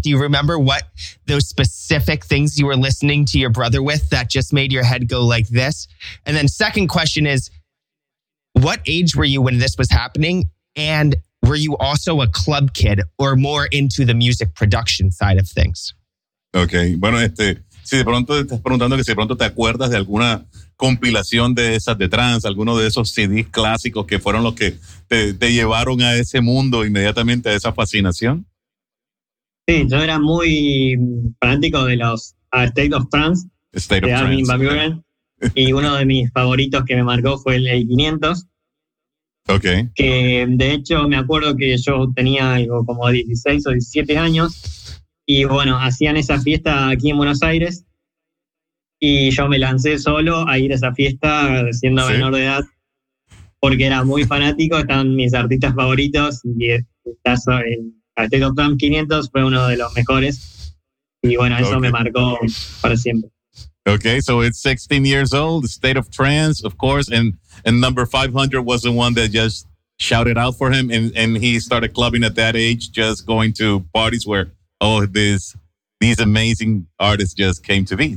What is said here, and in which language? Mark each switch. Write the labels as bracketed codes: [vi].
[en] Do you remember what those specific things you were listening to your brother with that just made your head go like this? And then second question is, what age were you when this was happening? And were you also a club kid or more into the music production side of things? [es] Okay, bueno, si de pronto te estás preguntando que si de pronto te acuerdas de alguna compilación de esas de trance, alguno de esos CDs clásicos que fueron los que te llevaron a ese mundo inmediatamente, a esa fascinación. Sí, yo era muy fanático de los State of Trance, [en] State [es] de [en] of [es] Armin Van Buuren, y uno de mis favoritos que me marcó fue el 500. Ok. Que de hecho me acuerdo que yo tenía como 16 o 17 años, y bueno, hacían esa fiesta aquí en Buenos Aires, y yo me lancé solo a ir a esa fiesta siendo menor de edad, porque era muy fanático, estaban mis artistas favoritos, y estás en State of Trance 500 fue uno de los mejores. Y bueno, eso me marcó para siempre. [en] Okay, so it's 16 years old, State of Trance, of course, and number 500 was the one that just shouted out for him, and he started clubbing at that age, just going to parties where, oh, these amazing artists just came to be.